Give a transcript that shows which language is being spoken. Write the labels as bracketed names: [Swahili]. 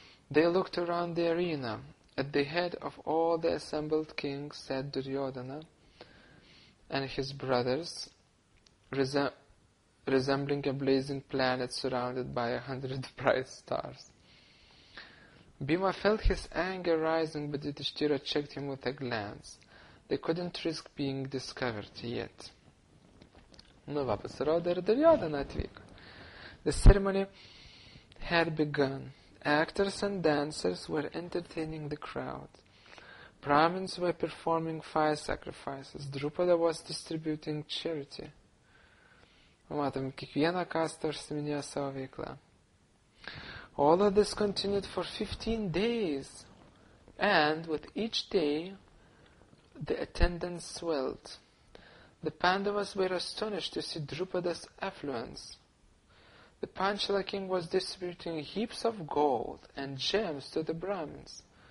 [English] They looked around the arena. At the head of all the assembled kings sat Duryodhana and his brothers, resembling a blazing planet surrounded by 100 bright stars. Bhima felt his anger rising, but Yudhishthira checked him with a glance. They couldn't risk being discovered yet. [Lithuanian] Nu va pasirodė ir Duryodhana atvyko. [English] The ceremony had begun. Actors and dancers were entertaining the crowd. Brahmins were performing fire sacrifices. Drupada was distributing charity. [Lithuanian] Matom, kiekviena kasta užsiminėjo savo veiklą. [English] All of this continued for 15 days, and with each day, the attendance swelled. The Pandavas were astonished to see Drupada's affluence. The Panchala king was distributing heaps of gold and gems to the Brahmins.